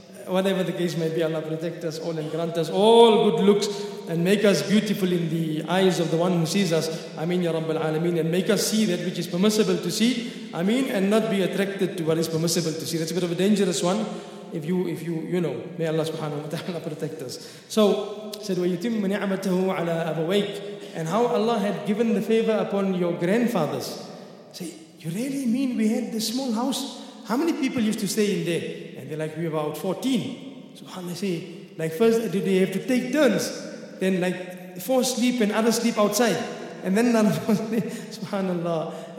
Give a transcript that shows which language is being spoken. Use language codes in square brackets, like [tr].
[en] Whatever the case may be, Allah protect us all and grant us all good looks and make us beautiful in the eyes of the one who sees us. Ameen, Ya Rabbal Alameen. And make us see that which is permissible to see. Ameen. And not be attracted to what is permissible to see. That's a bit of a dangerous one. If you know, may Allah subhanahu wa ta'ala protect us. So, said, [ar] وَيُتِمُّ نِعْمَتَهُ عَلَىٰ أَبَوَيْكَ. [en] And how Allah had given the favor upon your grandfathers. Say, you really mean we had this small house? How many people used to stay in there? And they're like, we're about 14. SubhanAllah, say, like first, do they have to take turns? Then like four sleep and others sleep outside. And then none of us, subhanAllah.